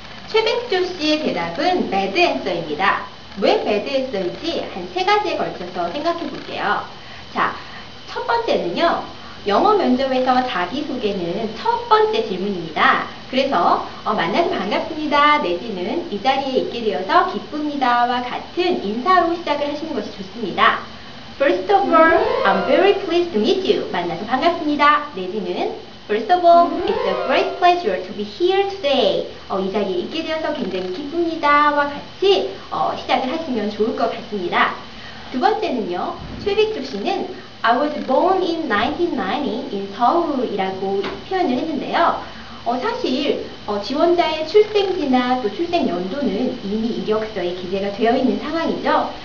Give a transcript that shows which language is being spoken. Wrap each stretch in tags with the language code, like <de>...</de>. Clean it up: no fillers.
<ko>최백조 씨의 대답은</ko> <en>bad answer</en> <ko>입니다. 왜 bad answer인지 한세 가지에 걸쳐서 생각해 볼게요. 자, 첫 번째는요, 영어 면접에서 자기소개는 첫 번째 질문입니다. 그래서, 만나서 반갑습니다. 내지는 이 자리에 있게 되어서 기쁩니다와 같은 인사로 시작을 하시는 것이 좋습니다.</ko> <en>First of all, I'm very pleased to meet you.</en> <ko>만나서 반갑습니다.</ko> <en>내지는 First of all, it's a great pleasure to be here today.</en> <ko>이 자리에 있게 되어서 굉장히 기쁩니다와 같이 시작을 하시면 좋을 것 같습니다. 두 번째는요, 최백조 씨는</ko> <en>I was born in 1990 in Seoul</en> <ko>이라고 표현을 했는데요. 사실 지원자의 출생지나 또 출생 연도는 이미 이력서에 기재가 되어 있는 상황이죠.</ko>